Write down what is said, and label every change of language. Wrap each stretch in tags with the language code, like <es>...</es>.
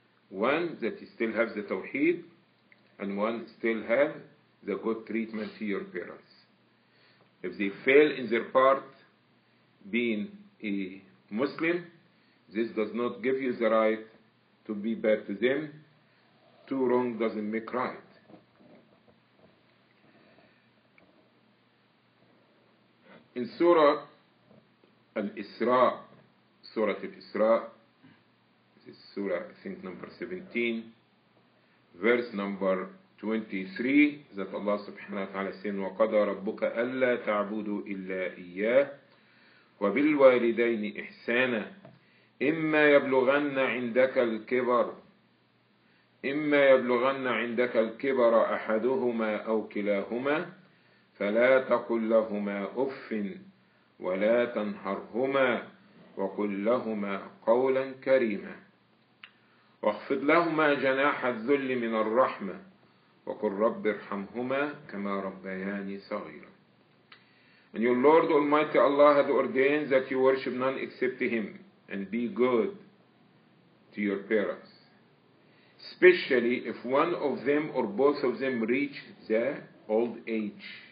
<en>One, that you still have the Tawheed, and one, still have the good treatment to your parents. If they fail in their part, being a Muslim, this does not give you the right to be bad to them. Two wrong doesn't make right. In Surah Al-Isra, Surah Al-Isra, this is Surah, I think, number 17, verse number 23, that Allah subhanahu wa ta'ala says,</en> <ar>وَقَضَى رَبُّكَ أَلَّا تَعْبُدُوا إِلَّا إِيَّاهِ وَبِالْوَالِدَيْنِ إِحْسَانًا إِمَّا يَبْلُغَنَّ عِنْدَكَ الْكِبَرُ إِمَّا يَبْلُغَنَّ عِنْدَكَ الْكِبَرَ أَحَدُهُمَا أَوْ كِلَاهُمَا فَلَا تَقُلْ لَهُمَا أُفٍّ وَلَا تَنْهَرْهُمَا وَقُلْ لَهُمَا قَوْلًا كَرِيمًا وَاخْفِضْ لَهُمَا جَنَاحَ الذُّلِّ مِنَ الرَّحْمَةِ وَقُلْ رَبِّ ارْحَمْهُمَا كَمَا رَبَّيَانِي صَغِيرًا.</ar> <en>And your Lord Almighty Allah had ordained that you worship none except Him and be good to your parents. Especially if one of them or both of them reach the old age.</en>